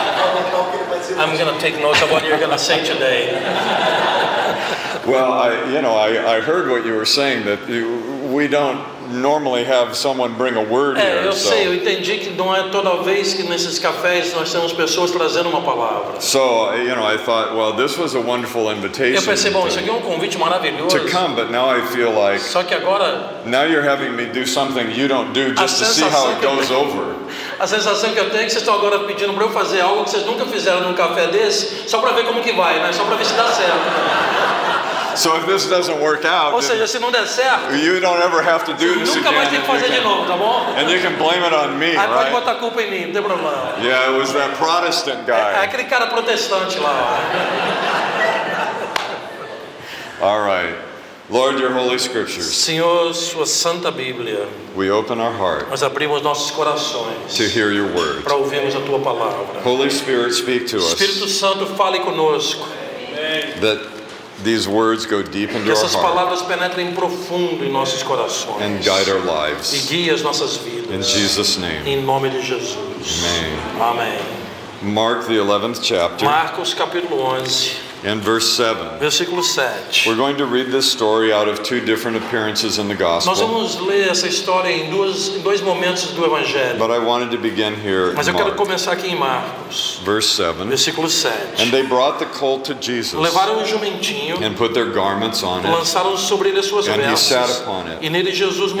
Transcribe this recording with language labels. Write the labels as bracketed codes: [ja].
[en] I'm going to take notes of what you're going to say today. Well, I heard what you were saying, that we don't normally have someone bring a word here. [pt] Eu sei, eu entendi que não é toda vez que nesses cafés nós temos pessoas trazendo uma palavra. [en] So, I thought, well, this was a wonderful invitation. [pt] Eu pensei, bom, isso aqui é um convite maravilhoso. [en] To come, but now I feel like, [pt] só que agora, [en] now you're having me do something you don't do just to see how it goes over. [pt] A sensação que eu tenho é que vocês estão agora pedindo para eu fazer algo que vocês nunca fizeram num café desse, só para ver como que vai, né? Só para ver se dá certo. [en] So if this doesn't work out, [pt] ou seja, se não der certo, [en] you don't ever have to do this [pt] nunca [en] again. [pt] Mais tem que fazer can, de novo, tá bom? [en] And you can blame it on me, [pt] aí [en] right? [pt] Pode botar culpa em mim, não tem problema. [en] Yeah, it was that Protestant guy. [pt] É aquele cara protestante lá. [en] All right. Lord, your holy scriptures. [pt] Senhor, sua santa Bíblia. [en] We open our heart. [pt] Nós abrimos nossos corações. [en] To hear your word. [pt] Para ouvirmos a tua palavra. [en] Holy Spirit, speak to us. [pt] Espírito Santo, fale conosco. [en] That these words go deep into [pt] essas [en] our heart. [pt] Palavras penetrem profundo em nossos corações. [en] And guide our lives. [pt] E guie as nossas vidas. [en] In Jesus' name. [pt] Em nome de Jesus. [en] Amen. [pt] Amém. [en] Mark the 11th chapter. [pt] Marcos capítulo 11. [en] And verse 7. [pt] Versículo 7. [en] We're going to read this story out of two different appearances in the gospel. [pt] Nós vamos ler essa história em dois momentos do evangelho. [en] But I wanted to begin here. [pt] Mas [en] in [pt] eu [en] Mark. [pt] Quero começar aqui em Marcos. [en] Verse 7. [pt] Versículo 7. [en] And they brought the colt to Jesus. [pt] Levaram o jumentinho. [en] And put their garments on it. [pt] Lançaram sobre ele as suas [en] and [pt] vestes. [en] He sat upon it. [pt] E nele Jesus montou.